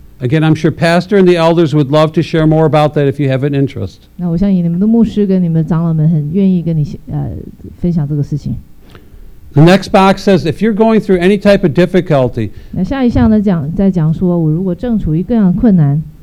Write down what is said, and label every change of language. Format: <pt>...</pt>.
<en>Again, I'm sure pastor and the elders would love to share more about that if you have an interest.</en> <zh>那我相信你们的牧师跟你们长老们很愿意跟你分享这个事情。</zh> <en>The next box says, if you're going through any type of difficulty,</en> <zh>下一项呢在讲说我如果正处于各样的困难</zh>